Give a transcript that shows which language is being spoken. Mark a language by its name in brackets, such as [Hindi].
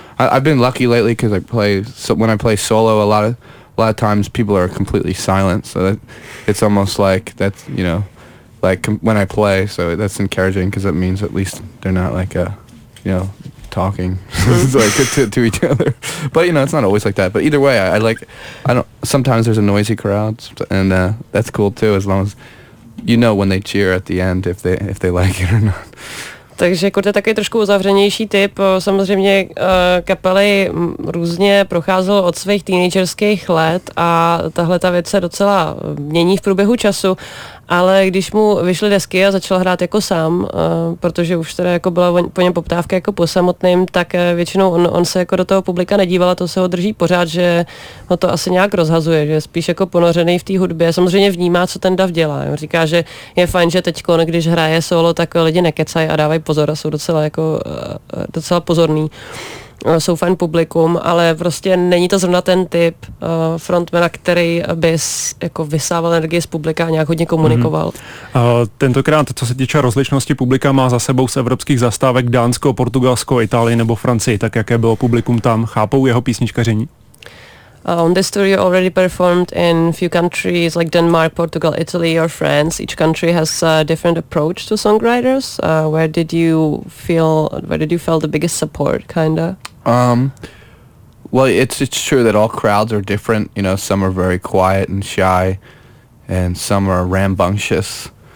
[English] I've been lucky lately because when I play solo, a lot of times people are completely silent, so that it's almost like that's, you know, like when I play, so that's encouraging because it means at least they're not like you know, talking like to each other. But you know, it's not always like that, but either way I don't sometimes there's a noisy crowd, and that's cool too, as long as you know when they cheer at the end if they like it or not. [Czech] Takže Kurt je taky trošku uzavřenější typ. Samozřejmě kapely různě procházelo od svých teenagerských let a tahle ta věc se docela mění v průběhu času. Ale když mu vyšly desky a začal hrát jako sám, protože už teda jako byla po něm poptávka jako po samotným, tak většinou on se jako do toho publika nedíval a to se ho drží pořád, že ho to asi nějak rozhazuje, že je spíš jako ponořený v té hudbě. Samozřejmě vnímá, co ten dav dělá. On říká, že je fajn, že teď, když hraje solo, tak lidi nekecají a dávají pozor a jsou docela jako docela pozorný. Jsou fajn publikum, ale prostě není to zrovna ten typ frontmana, který bys jako vysával energii z publika a nějak hodně komunikoval. Tentokrát, co se týče rozličnosti publika, má za sebou z evropských zastávek Dánsko, Portugalsko, Itálii nebo Francii, tak jaké bylo publikum tam? Chápou jeho písničkaření? [English] On this tour you already performed in few countries like Denmark, Portugal, Italy or France. Each country has a different approach to songwriters. Where did you feel the biggest support, kinda? Well, it's true that all crowds are different. You know, some are very quiet and shy, and some are rambunctious.